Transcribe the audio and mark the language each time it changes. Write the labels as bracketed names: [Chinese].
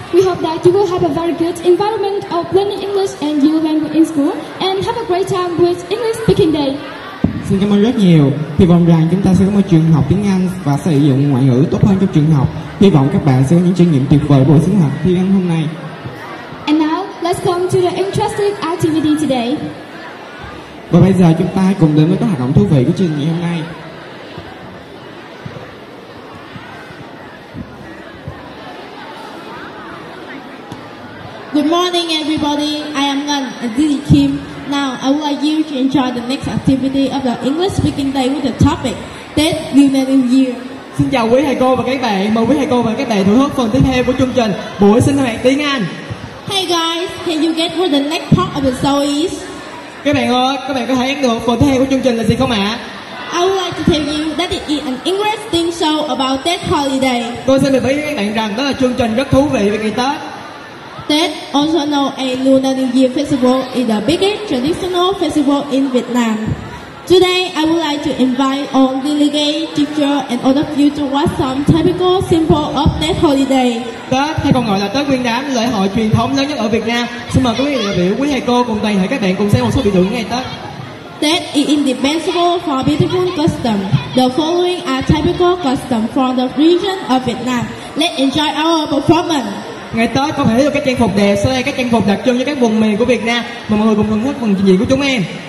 [English] We hope that you will have a very good environment of learning English and your language in school and have a great time with English Speaking Day. [Vietnamese] Xin cảm ơn rất nhiều. Hy vọng rằng chúng ta sẽ có một trường học tiếng Anh và sử dụng ngoại ngữ tốt hơn trong trường học. Hy vọng các bạn sẽ có những trải nghiệm tuyệt vời buổi sinh hoạt tiếng Anh hôm nay. [English] And now, let's come to the interesting activity today. [Vietnamese] Và bây giờ chúng ta cùng đến với các hoạt động thú vị của chương trình hôm nay. [English] Good morning, everybody. I am Ngân, and this is Kim. Now, I would like you to enjoy the next activity of the English Speaking Day with the topic Tết Lunar New Year. [Vietnamese] Xin chào quý thầy cô và các bạn. Mời quý thầy cô và các bạn thưởng thức phần tiếp theo của chương trình buổi sinh hoạt tiếng Anh. [English] Hey guys, can you get what the next part of the show is? [Vietnamese] Các bạn ơi, các bạn có thể ấn được phần tiếp theo của chương trình là gì không ạ? [English] I would like to tell you that it is an interesting show about Tết holiday. [Vietnamese] Tôi xin được nói với các bạn rằng đó là chương trình rất thú vị về ngày Tết. [English] Tết, also known as Lunar New Year Festival, is the biggest traditional festival in Vietnam. Today, I would like to invite all delegates, teachers, and all of you to watch some typical symbols of Tết holiday. [Vietnamese] Tết, hay còn gọi là Tết Nguyên Đán, lễ hội truyền thống lớn nhất ở Việt Nam. Xin mời quý vị đại biểu, quý thầy cô cùng toàn thể các bạn cùng xem một số biểu tượng ngày Tết. [English] Tết is indispensable for beautiful customs. The following are typical customs from the region of Vietnam. Let's enjoy our performance. [Vietnamese] Ngày Tết có thể thấy được các trang phục đẹp, sau đây các trang phục đặc trưng cho các vùng miền của Việt Nam. Mời mọi người cùng thưởng thức phần trình diễn của chúng em.